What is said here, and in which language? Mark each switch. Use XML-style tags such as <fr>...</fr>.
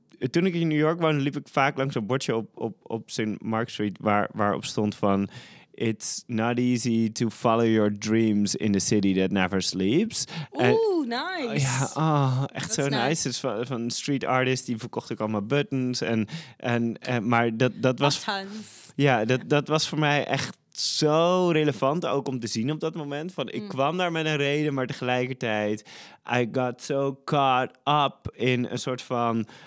<nl>toen ik in New York woonde, liep ik vaak langs een bordje op St. Mark Street... waarop stond van...</nl> <en>It's not easy to follow your dreams in the city that never sleeps. Nice.</en> <nl>Echt zo nice. Het is van een street artist, die verkocht ik allemaal buttons. Maar dat was... Ja, dat was voor mij echt zo relevant, ook om te zien op dat moment. Van, ik kwam daar met een reden, maar tegelijkertijd...</nl> <en>I got so caught up in</en> <nl>een soort van...</nl>